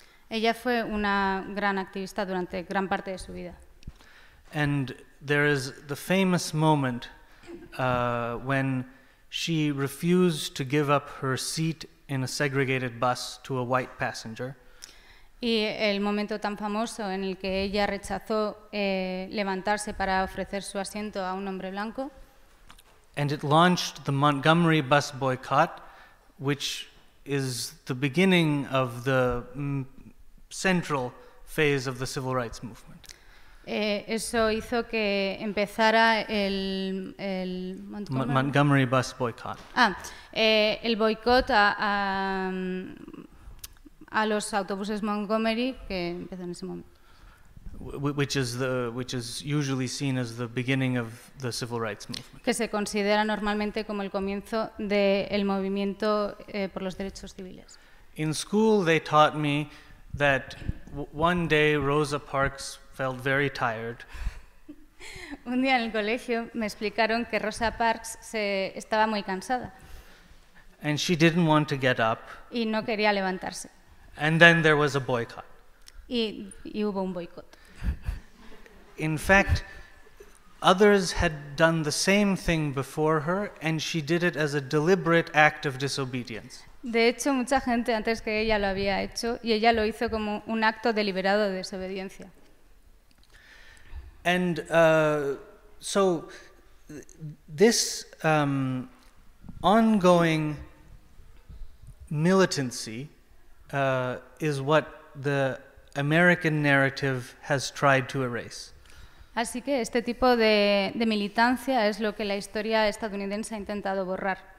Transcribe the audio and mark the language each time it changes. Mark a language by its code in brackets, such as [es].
[es] Ella fue una gran activista durante gran parte de su vida. [en] And there is the famous moment when she refused to give up her seat in a segregated bus to a white passenger. [es] Y el momento tan famoso en el que ella rechazó levantarse para ofrecer su asiento a un hombre blanco. [en] And it launched the Montgomery bus boycott, which is the beginning of the central phase of the civil rights movement. [es] Eso hizo que empezara el [en] Montgomery bus boycott. [es] El boicot a los autobuses Montgomery que empezó en ese momento. [en] Which is usually seen as the beginning of the civil rights movement. [es] Que se considera normalmente como el comienzo del movimiento por los derechos civiles. [en] In school, they taught me that one day Rosa Parks felt very tired. [es] Un día en el colegio me explicaron que Rosa Parks estaba muy cansada. [en] And she didn't want to get up. [es] Y no quería levantarse. [en] And then there was a boycott. [es] Y hubo un boicot. [en] In fact, others had done the same thing before her, and she did it as a deliberate act of disobedience. [es] De hecho, mucha gente antes que ella lo había hecho, y ella lo hizo como un acto deliberado de desobediencia. [en] And so this ongoing militancy is what the American narrative has tried to erase. [es] Así que este tipo de militancia es lo que la historia estadounidense ha intentado borrar.